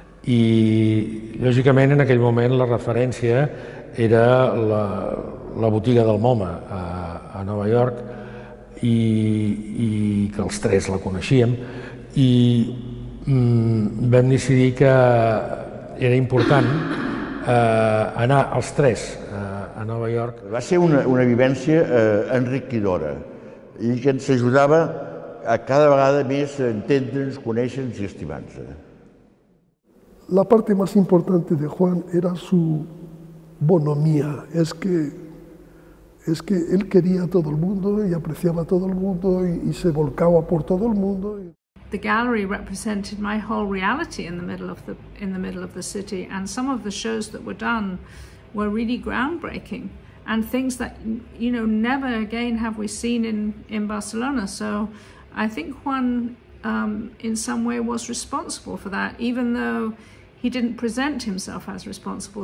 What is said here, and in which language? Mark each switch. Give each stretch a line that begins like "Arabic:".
Catalan: I, lògicament, en aquell moment la referència era la botiga del MoMA a Nova York, i que els tres la coneixíem, i vam decidir que era important anar els tres a Nova York. Va ser una vivència enriquidora i que ens ajudava a cada vegada més entendre'ns, conèixer'ns i estimar-nos.
Spanish: La parte más importante de Juan era su bonomía, es que él quería a todo el mundo y apreciaba a todo el mundo y se volcaba por todo el mundo.
English: The gallery represented my whole reality in the middle of the city, and some of the shows that were done were really groundbreaking and things that, you know, never again have we seen in Barcelona. So I think Juan in some way was responsible for that, even though he didn't present himself as responsible.